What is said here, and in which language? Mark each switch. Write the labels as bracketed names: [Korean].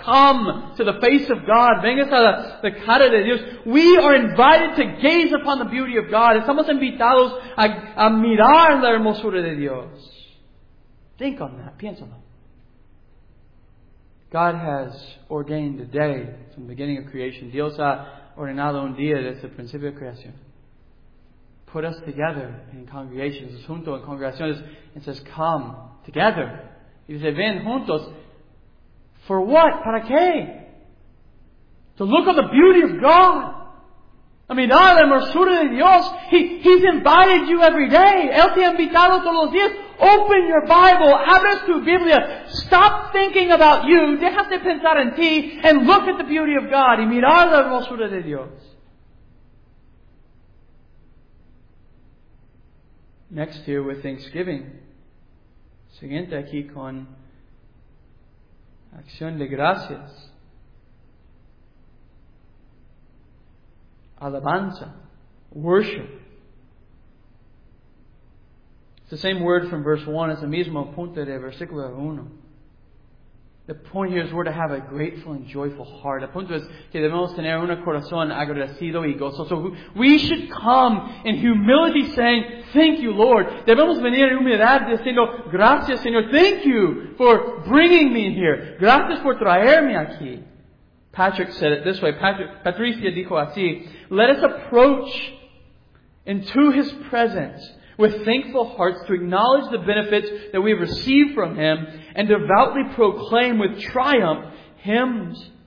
[English] Come to the face of God. [Spanish] Vengas a la cara de Dios. [English] We are invited to gaze upon the beauty of God. [Spanish] Estamos invitados a mirar la hermosura de Dios. [English] Think on that. [Spanish] Piénsalo. [English] God has ordained a day from the beginning of creation. [Spanish] Dios ha ordenado un día desde el principio de creación. [English] Put us together in congregations, [Spanish] junto en congregaciones, [English] and says, come together. [Spanish] Y dice, ven juntos. [English] For what? [Spanish] ¿Para qué? [English] To look on the beauty of God. I mean, ah, [Spanish] la hermosura de Dios. [English] He's invited you every day. [Spanish] Él te ha invitado todos los días. [English] Open your Bible. [Spanish] Abre tu Biblia. [English] Stop thinking about you. [Spanish] Deja de pensar en ti. [English] And look at the beauty of God. [Spanish] Y mirar la hermosura de Dios. [English] Next year with Thanksgiving. [Spanish] Siguiente aquí con acción de gracias. Alabanza. Worship. [English] It's the same word from verse 1. It's the [Spanish] mismo punto de versículo [English] 1. The point here is we're to have a grateful and joyful heart. [Spanish] El punto es que debemos tener un corazón agradecido y gozoso. [English] So we should come in humility saying, thank you, Lord. [Spanish] Debemos venir en humildad diciendo, gracias, Señor. [English] Thank you for bringing me here. [Spanish] Gracias por traerme aquí. [English] Patrick said it this way. [Spanish] Patricia dijo así, [English] let us approach into His presence with thankful hearts to acknowledge the benefits that we have received from Him and devoutly proclaim with triumph hymns.